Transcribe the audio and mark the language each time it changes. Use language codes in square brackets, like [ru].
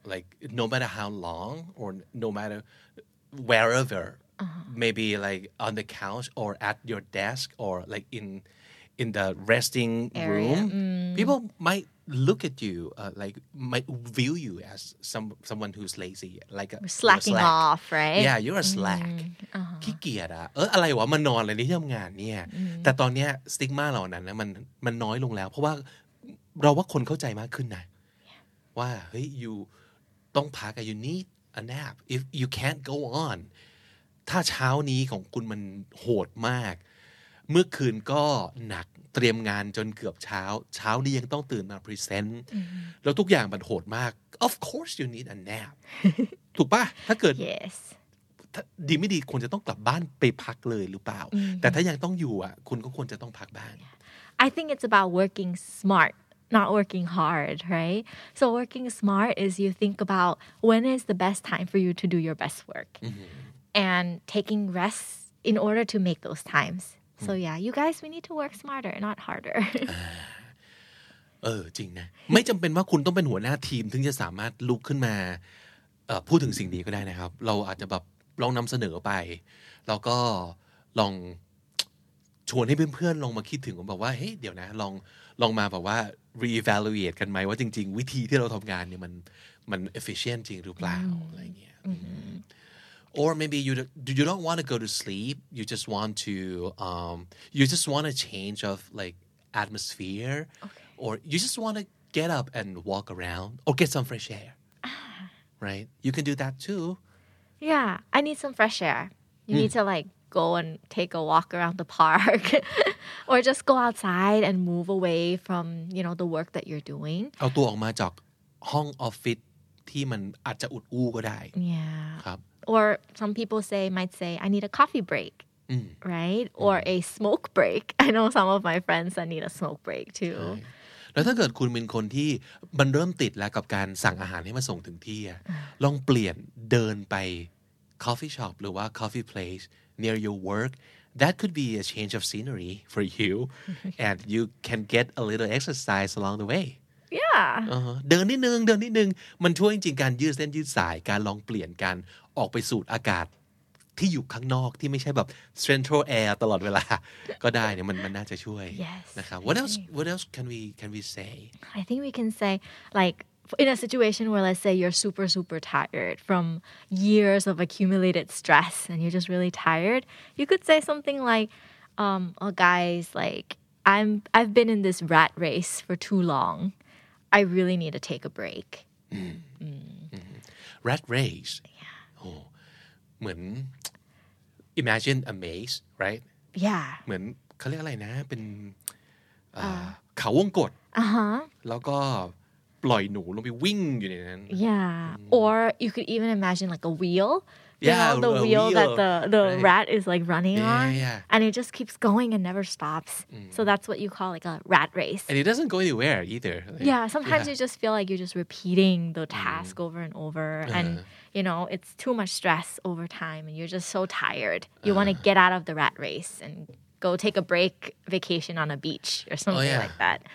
[en] like no matter how long or no matter wherever, maybe like on the couch or at your desk or like in the resting room, people might look at you like might view you as someone who's lazy, like slacking off, right? Yeah, you're a slack. [th] ขี้เกียจอ่ะอะไรวะมานอนอะไรที่ทำงานเนี่ยแต่ตอนเนี้ยสติ๊กมาเหล่านั้นมันน้อยลงแล้วเพราะว่าเราว่าคนเข้าใจมากขึ้นนะว่าเฮ้ย you ต้องพัก [en] you need a nap if you can't go on [th] ถ้าเช้านี้ของคุณมันโหดมากเมื่อคืนก็หนักเตรียมงานจนเกือบเช้านี้ยังต้องตื่นมาพรีเซนต์ แล้วทุกอย่างมันโหดมาก [en] of course you need a nap [th] ถูกป่ะถ้าเกิด [en] yes [th] ดีไม่ดีควรจะต้องกลับบ้านไปพักเลยหรือเปล่า [en] mm-hmm. [th] แต่ถ้ายังต้องอยู่อ่ะคุณก็ควรจะต้องพักบ้าง [en] I think it's about working smartNot working hard, right? So working smart is you think about when is the best time for you to do your best work. Mm-hmm. And taking rests in order to make those times. Mm-hmm. So yeah, you guys, we need to work smarter, not harder. [th] จริงนะไม่จำเป็นว่าคุณต้องเป็นหัวหน้าทีมถึงจะสามารถลุกขึ้นมาพูดถึงสิ่งดีก็ได้นะครับเราอาจจะแบบลองนำเสนอไปแล้วก็ลองชวนให้เพื่อนๆลองมาคิดถึงผมบอกว่าเฮ้ยเดี๋ยวนะลองมาแบบว่า re-evaluate กันไหมว่าจริงๆวิธีที่เราทำงานเนี่ยมัน efficient จริงหรือเปล่าอะไรเงี้ย [en] or maybe you don't want to go to sleep you just want to you just want a change of like atmosphere okay. or you just want to get up and walk around or get some fresh air right you can do that too yeah I need some fresh air you need to likeGo and take a walk around the park or just go outside and move away from, you know, the work that you're doing. [th] เอาตัวออกมาจากห้องออฟฟิศที่มันอาจจะอุดอู้ก็ได้ [en] Yeah. [th] ครับ [en] Or some people might say, I need a coffee break, right? Or a smoke break. I know some of my friends that need a smoke break too. [th] แล้วถ้าเกิดคุณเป็นคนที่มันเริ่มติดแล้วกับการสั่งอาหารให้มาส่งถึงที่ ลองเปลี่ยนเดินไป [en] coffee shop [th] หรือว่า [en] coffee placenear your work, that could be a change of scenery for you and you can get a little exercise along the way. Yeah. [th] เดินนิดนึงมันช่วยจริงๆการยืดเส้นยืดสายการลองเปลี่ยนการออกไปสูดอากาศที่อยู่ข้างนอกที่ไม่ใช่แบบ central air ตลอดเวลาก็ได้เนี่ยมันน่าจะช่วยนะครับ [en] What else can we say? I think we can say likeIn a situation where, let's say, you're super, super tired from years of accumulated stress and you're just really tired, you could say something like, oh, guys, like, I've been in this rat race for too long. I really need to take a break. Rat race? Yeah. Oh, เหมือน imagine a maze, right? Yeah. [th] เหมือนเขาเรียกอะไรนะเป็นเขาวงกตแล้วก็ปล่อยหนูลงไปวิ่งอยู่ในนั้น [en] Yeah or you could even imagine like a wheel Yeah the wheel that the right. rat is like running yeah, on yeah. and it just keeps going and never stops so that's what you call like a rat race and it doesn't go anywhere either like, Yeah sometimes yeah. you just feel like you're just repeating the task over and over and you know it's too much stress over time and you're just so tired you want to get out of the rat race and go take a break vacation on a beach or something like that